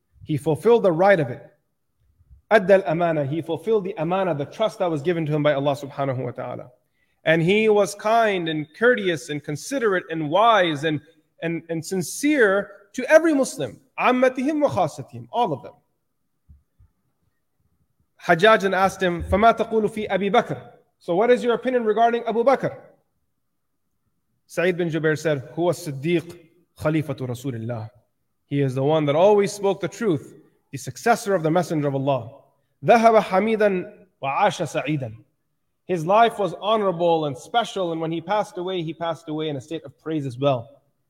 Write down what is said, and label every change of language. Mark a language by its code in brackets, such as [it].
[en] He fulfilled the right of it. [ar] Adda al-amana, [en] he fulfilled the amana, the trust that was given to him by Allah subhanahu wa ta'ala. And he was kind and courteous and considerate and wise and sincere to every Muslim. [ar] Ammatihim wa khasatihim, [en] all of them. Hajjaj asked him, [ar] فَمَا تَقُولُ فِي أَبِي بَكْرٍ? [en] So what is your opinion regarding Abu Bakr? Sa'id bin Jubair said, [ar] Huwa Siddiq, Khalifatu Rasulillah. [en] He is the one that always spoke the truth, the successor of the Messenger of Allah. [ar] ذَهَبَ حَمِيدًا وَعَاشَ سَعِيدًا. [en] His life was honorable and special, and when he passed away in a state of praise as well.